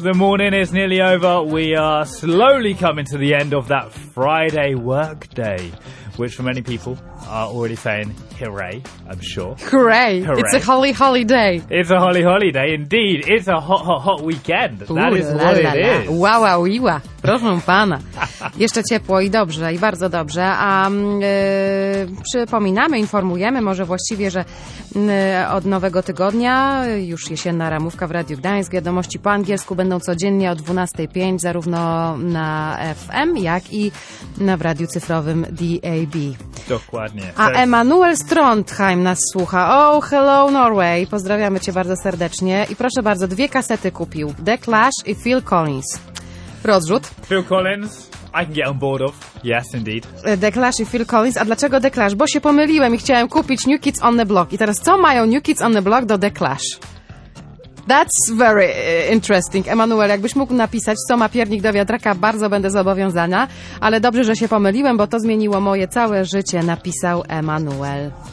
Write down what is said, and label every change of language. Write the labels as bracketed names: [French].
[English] The morning is nearly over. We are slowly coming to the end of that Friday work day, which for many people are already saying, hooray, I'm sure. Hooray. Hooray. It's a holly, holly day. It's a holly, holly day. Indeed, it's a hot, hot, hot weekend. That is what it is. [Polish] Wow, wow, wiwa. Proszę pana. Jeszcze ciepło i dobrze, i bardzo dobrze. A przypominamy, informujemy może właściwie, że od nowego tygodnia już jesienna ramówka w Radiu Gdańsk. Wiadomości po angielsku będą codziennie o 12.05 zarówno na FM, jak i w radiu cyfrowym DAB. Dokładnie. A Emanuel Strondheim nas słucha. [English] Oh, hello Norway. [Polish] Pozdrawiamy cię bardzo serdecznie. I proszę bardzo, dwie kasety kupił. The Clash i Phil Collins. Rozrzut. [English] Phil Collins, I can get on board of. Yes, indeed. [Polish] The Clash i Phil Collins. A dlaczego The Clash? Bo się pomyliłem i chciałem kupić New Kids on the Block. I teraz co mają New Kids on the Block do The Clash? [English] That's very interesting. [Polish] Emanuel, jakbyś mógł napisać, co ma piernik do wiatraka, bardzo będę zobowiązana. Ale dobrze, że się pomyliłem, bo to zmieniło moje całe życie, napisał Emanuel.